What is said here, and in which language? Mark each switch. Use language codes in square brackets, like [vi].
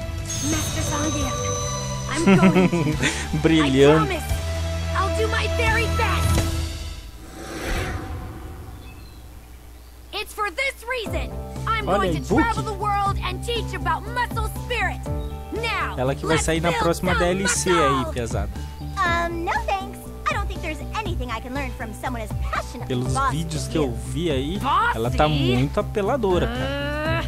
[en] Master Zangief, I'm going. Brilliant. I promise, I'll do my very best. It's for this reason. I'm going to travel the world and teach about muscle spirit. Now, [pt] Ela que vai sair na próxima DLC aí, pesada. [en] Não, thanks. I don't think there's anything I can learn from someone as passionate. [pt] Pelos vídeos que eu vi aí, ela tá muito apeladora, cara.